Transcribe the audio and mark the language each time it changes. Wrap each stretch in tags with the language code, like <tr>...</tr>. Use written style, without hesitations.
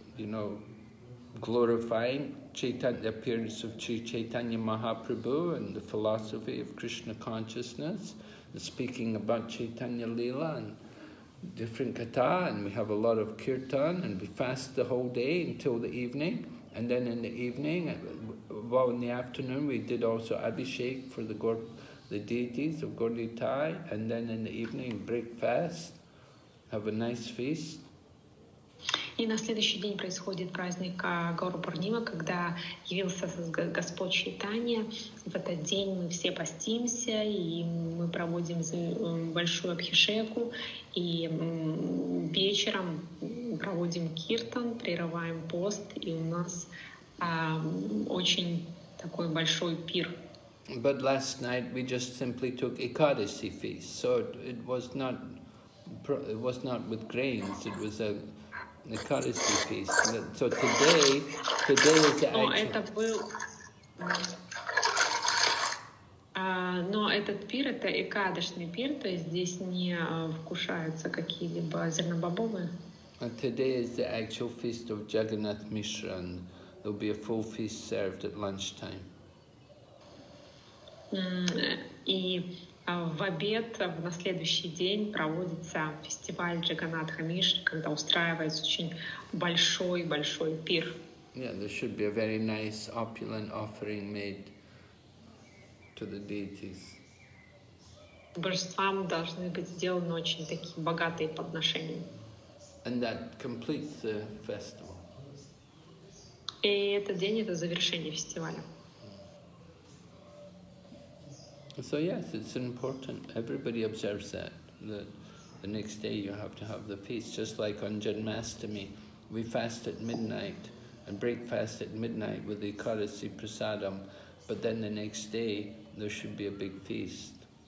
<en>you know, glorifying the appearance of Sri Chaitanya Mahaprabhu and the philosophy of Krishna consciousness, and speaking about Chaitanya Leela and different katha, and we have a lot of kirtan, and we fast the whole day until the evening, and then in the evening, well, in the afternoon, we did also abhishek for the deities of Gaudiya, and then in the evening, breakfast, have a nice feast.</en> <ru>И на следующий день происходит праздник Гору Пурнима, когда явился Господь Чайтанья. В этот день мы все постимся, и мы проводим большую абхишеку, и вечером проводим киртан, прерываем пост, и у нас очень такой большой пир.</ru> <en>But last night we just simply took Ekadasi feast, so it was not with grains, it was a Ekadasi feast. So today is the actual.</en> <ru>Но этот пир, это экадешный пир, то есть здесь не вкушаются какие-либо зернобобовые.</ru> <en>And today is the actual feast of Jagannath Mishra, and there will be a full feast served at lunchtime.</en> <ru>И в обед, на следующий день, проводится фестиваль Джаганнатха Мишры, когда устраивается очень большой-большой пир.</ru> <en>Yeah, there should be a very nice opulent offering made to the deities.</en> <ru>Божествам должны быть сделаны очень такие богатые подношения.</ru> <en>And that completes the festival.</en> <ru>И этот день — это завершение фестиваля.</ru> <en>So yes, it's important. Everybody observes that, that the next day you have to have the feast. Just like on Janmashtami, we fast at midnight and break fast at midnight with the Ekadasi Prasadam, but then the next day there should be a big feast.</en>